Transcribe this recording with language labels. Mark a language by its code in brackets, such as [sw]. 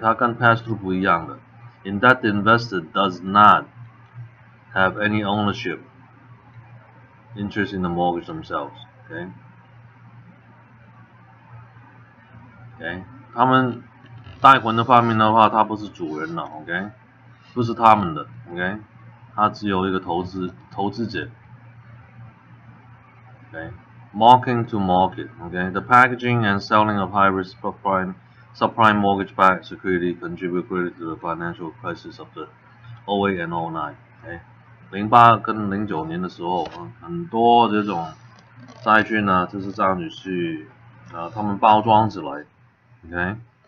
[zh] 它跟 pass-through 不一样的, [en] in that the investor does not have any ownership interest in the mortgage themselves, okay? okay? [zh] 他们带魂的方面的话，他不是主人了 ，OK？不是他们的 ，OK？ 他只有一个投资者 ，OK？ [en] Marking to market, OK? The packaging and selling of high risk subprime mortgage backed security contribute greatly to the financial crisis of the 08 and 09, OK? [zh] 08跟09年的时候，很多这种债券呢，就是这样子去，他们包装起来 ，OK？